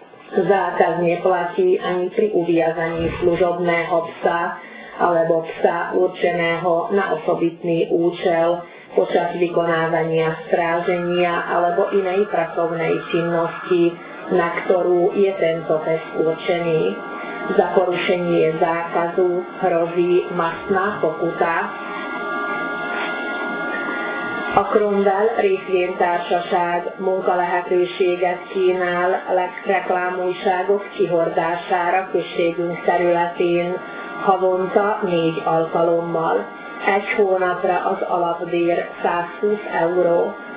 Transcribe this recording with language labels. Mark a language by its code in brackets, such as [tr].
[sk] Zákaz neplatí ani pri uviazaní služobného psa alebo psa určeného na osobitný účel počas vykonávania stráženia alebo inej pracovnej činnosti, na ktorú je tento pes určený. Za porušenie zákazu hrozí mastná pokuta. [hu] A Cromwell részvénytársaság munkalehetőséget kínál legreklámújságok kihordására községünk területén havonta 4 alkalommal. Egy hónapra az alapbér 120 euró.